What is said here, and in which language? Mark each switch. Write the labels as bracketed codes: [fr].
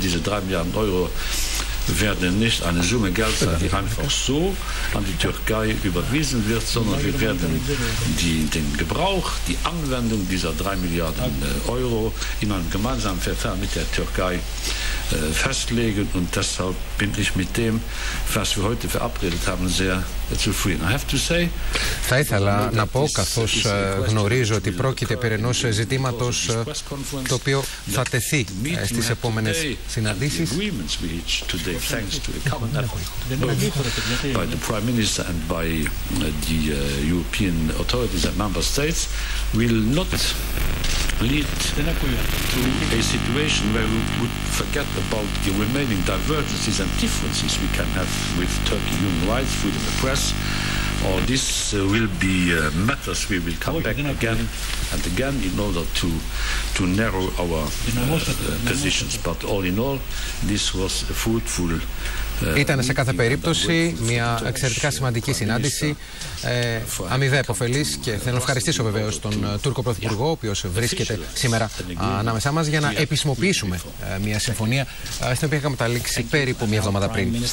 [de] Diese 3 Milliarden Euro werden nicht eine Summe Geld sein, die einfach so an die Türkei überwiesen wird, sondern wir werden den Gebrauch, die Anwendung dieser 3 Milliarden Euro in einem gemeinsamen Verfahren mit der Türkei festlegen. Und deshalb bin ich mit dem, was wir heute verabredet haben, sehr zufrieden. [en] I have to say, [el] θα ήθελα να πω, καθώς γνωρίζω ότι πρόκειται περί ενός ζητήματος το οποίο θα τεθεί στις επόμενες συναντήσεις. [en] Thanks to a common effort by the Prime Minister and by the European authorities and member states will not lead to a situation where we would forget about the remaining divergences and differences we can have with Turkey, human rights, freedom of the press. Or this will be matters we will come back again and again in order to narrow our positions. But all in all, this was a fruitful. [el] Ήταν σε κάθε περίπτωση μια εξαιρετικά σημαντική συνάντηση, αμοιβαία επωφελής, και θέλω να ευχαριστήσω βεβαίως τον Τούρκο Πρωθυπουργό, ο οποίος βρίσκεται σήμερα ανάμεσά μας, για να επισημοποιήσουμε μια συμφωνία στην οποία είχαμε καταλήξει περίπου μια εβδομάδα πριν.